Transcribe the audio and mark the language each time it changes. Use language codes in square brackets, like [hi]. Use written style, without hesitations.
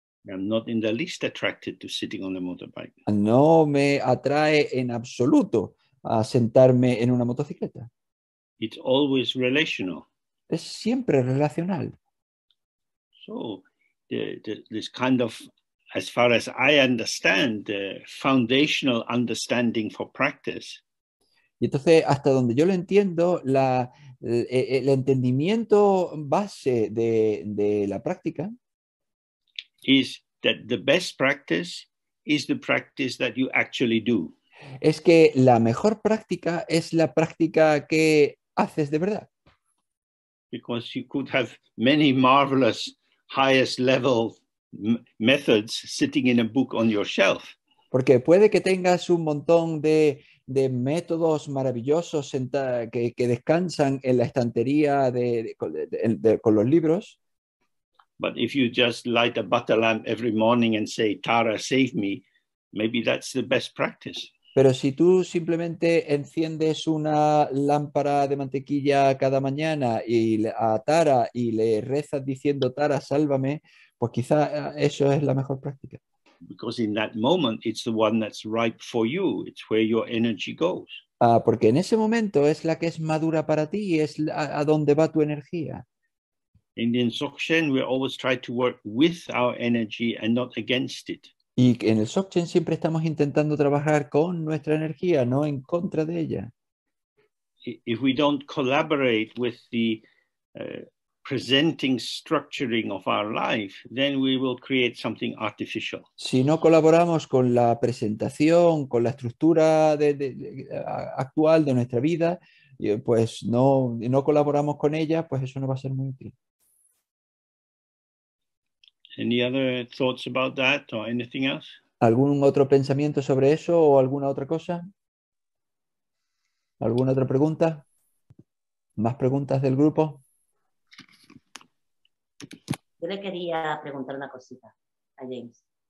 [en] I'm not in the least attracted to sitting on a motorbike. [es] No me atrae en absoluto a sentarme en una motocicleta. [en] It's always relational. [es] Es siempre relacional. [en] So, this kind of, as far as I understand, the foundational understanding for practice. [es] Y entonces, hasta donde yo lo entiendo, el entendimiento base de la práctica [en] is that the best practice is the practice that you actually do. [es] Es que la mejor práctica es la práctica que haces de verdad. [en] Because you could have many marvelous highest level methods sitting in a book on your shelf. [es] Porque puede que tengas un montón de métodos maravillosos que descansan en la estantería con los libros. [en] But if you just light a butter lamp every morning and say, Tara, save me, maybe that's the best practice. [es] Pero si tú simplemente enciendes una lámpara de mantequilla cada mañana y a Tara y le rezas diciendo, Tara, sálvame, pues quizá eso es la mejor práctica. [en] Because in that moment it's the one that's ripe for you, it's where your energy goes. [es] Porque en ese momento es la que es madura para ti, es a donde va tu energía. [en] In the Dzogchen we always try to work with our energy and not against it. [es] Y en el Dzogchen siempre estamos intentando trabajar con nuestra energía, no en contra de ella. [en] If we don't collaborate with the presenting structuring of our life, then we will create something artificial. [es] Si no colaboramos con la presentación, con la estructura de actual de nuestra vida, pues no colaboramos con ella, pues eso no va a ser muy útil. [en] Any other thoughts about that or anything else? [es] ¿Algún otro pensamiento sobre eso o alguna otra cosa? ¿Alguna otra pregunta? ¿Más preguntas del grupo? Yo le quería preguntar una cosita a James.